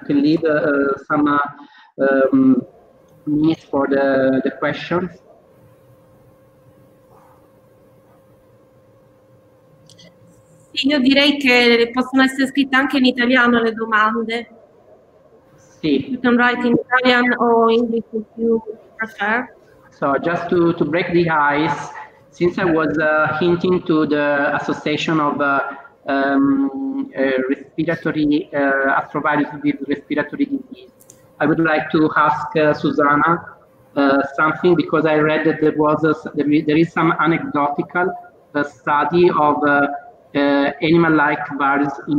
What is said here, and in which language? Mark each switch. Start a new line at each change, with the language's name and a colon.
English: We can leave some minutes for the questions.
Italian: Sì, io direi che possono essere scritte anche in italiano le domande. Sì.
English: You can write in Italian or English if you prefer. So just to break the ice, since I was hinting to the association of respiratory astrovirus with respiratory disease, I would like to ask Susanna something, because I read that there is some anecdotal study of animal-like virus